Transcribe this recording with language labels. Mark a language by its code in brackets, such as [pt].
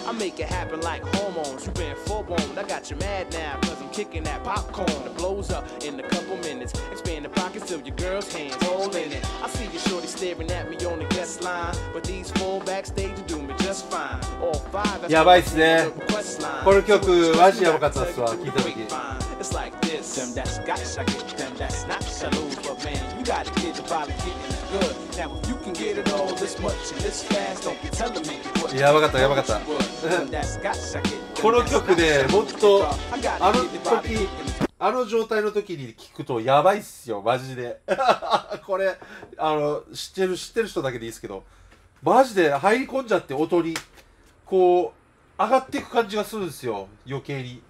[en] I make it happen like hormones. You been forewarned, I got you mad now, cause I'm kicking that popcorn. It blows up in a couple minutes. Expand the pockets till your girl's hands hold in it. I see your shorty staring at me on the guest line. But these four backstage are doing me just fine. All five, [ja] やばいっすね。この曲マジやばかったっすわ、聞いた時。 [en] It's like this. Them that's got shaggy, them that's not shallow. But man, you got a kid to probably get in the good. Now if you can get it all this much and this fast, don't be telling me you put it. [ja] やばかったやばかった。この曲ね、もっとあの時あの状態の時に聞くとやばいっすよ、マジで。これあの知ってる人だけでいいっすけど、マジで入り込んじゃって音に。こう上がっていく感じがするんですよ、余計に。